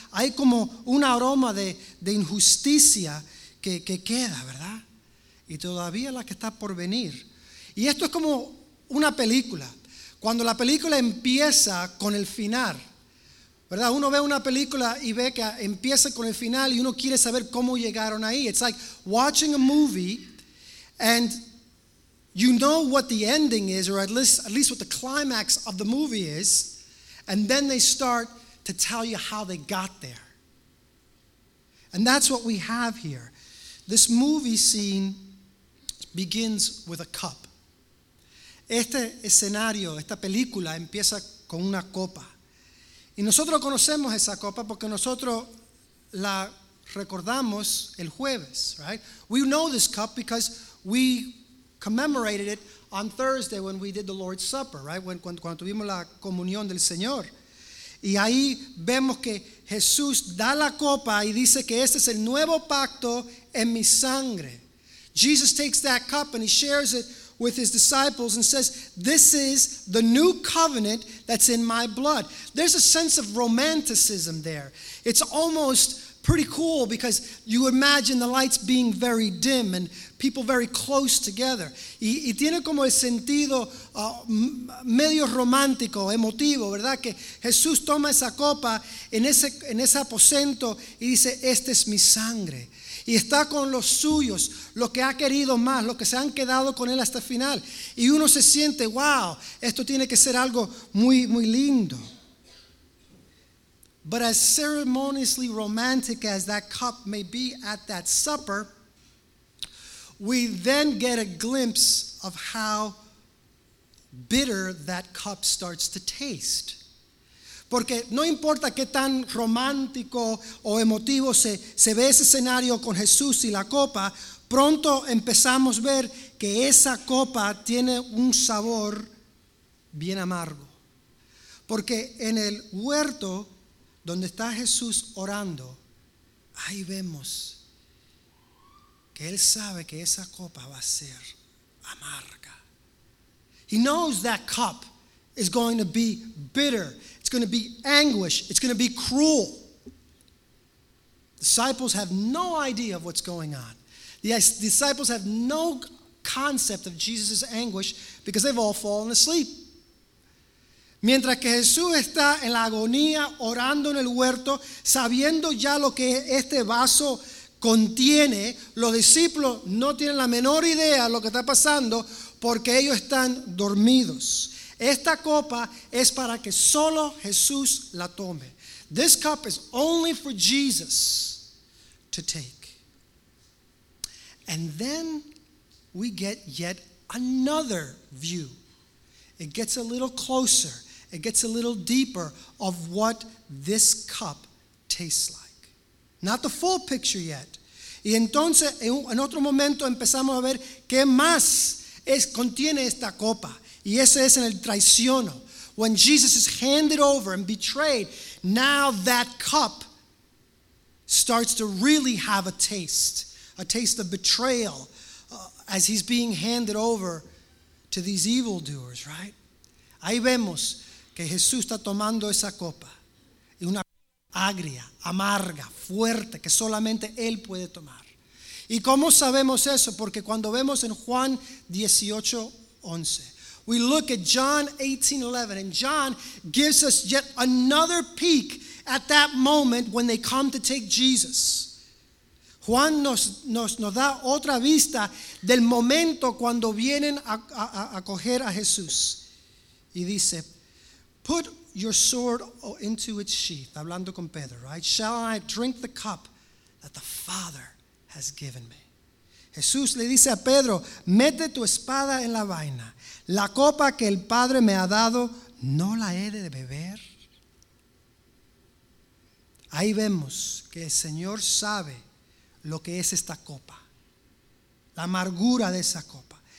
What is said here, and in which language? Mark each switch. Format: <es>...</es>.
<es>Hay como un aroma de injusticia que queda, ¿verdad? Y todavía la que está por venir. Y esto es como una película. Cuando la película empieza con el final, ¿verdad? Uno ve una película y ve que empieza con el final y uno quiere saber cómo llegaron ahí.</es> <en>It's like watching a movie and you know what the ending is, or at least what the climax of the movie is, and then they start to tell you how they got there. And that's what we have here. This movie scene begins with a cup.</en> <es>Este escenario, esta película empieza con una copa. Y nosotros conocemos esa copa porque nosotros la recordamos el jueves, right?</es> <en>We know this cup because we commemorated it on Thursday when we did the Lord's Supper, right?</en> <es>Cuando tuvimos la comunión del Señor. Y ahí vemos que Jesús da la copa y dice que este es el nuevo pacto en mi sangre.</es> <en>Jesus takes that cup and he shares it with his disciples and says, this is the new covenant that's in my blood. There's a sense of romanticism there. It's almost pretty cool because you imagine the lights being very dim and people very close together.</en> <es>Y tiene como el sentido medio romántico, emotivo, ¿verdad? Que Jesús toma esa copa en ese aposento y dice, esta es mi sangre. Y está con los suyos, los que ha querido más, los que se han quedado con él hasta el final. Y uno se siente, wow, esto tiene que ser algo muy, muy lindo.</es> <en>But as ceremoniously romantic as that cup may be at that supper, we then get a glimpse of how bitter that cup starts to taste.</en> <es>Porque no importa qué tan romántico o emotivo se ve ese escenario con Jesús y la copa, pronto empezamos a ver que esa copa tiene un sabor bien amargo. Porque en el huerto donde está Jesús orando, ahí vemos que Él sabe que esa copa va a ser amarga.</es> <en>He knows that cup is going to be bitter. It's going to be anguish. It's going to be cruel. Disciples have no idea of what's going on. The disciples have no concept of Jesus' anguish because they've all fallen asleep. Mientras que Jesús está en la agonía, orando en el huerto, sabiendo ya lo que este vaso contiene, los discípulos no tienen la menor idea de lo que está pasando porque ellos están dormidos. Esta copa es para que solo Jesús la tome. This cup is only for Jesus to take. And then we get yet another view. It gets a little closer. It gets a little deeper of what this cup tastes like. Not the full picture yet.</en> <es>Y entonces, en otro momento, empezamos a ver qué más contiene esta copa. Y ese es en el traiciono.</es> <en>When Jesus is handed over and betrayed, now that cup starts to really have a taste of betrayal as he's being handed over to these evildoers, right?</en> <es>Ahí vemos que Jesús está tomando esa copa, y una agria, amarga, fuerte, que solamente Él puede tomar. ¿Y cómo sabemos eso? Porque cuando vemos en Juan 18:11,</es> <en>we look at John 18:11, and John gives us yet another peek at that moment when they come to take Jesus.</en> <es>Juan nos da otra vista del momento cuando vienen a coger a Jesús. Y dice,</es> <en>put your sword into its sheath,</en> <es>hablando con Pedro,</es> <en>right? Shall I drink the cup that the Father has given me?</en> <es>Jesús le dice a Pedro, mete tu espada en la vaina. La copa que el Padre me ha dado, ¿no la he de beber? Ahí vemos que el Señor sabe lo que es esta copa, la amargura de esa copa.</es>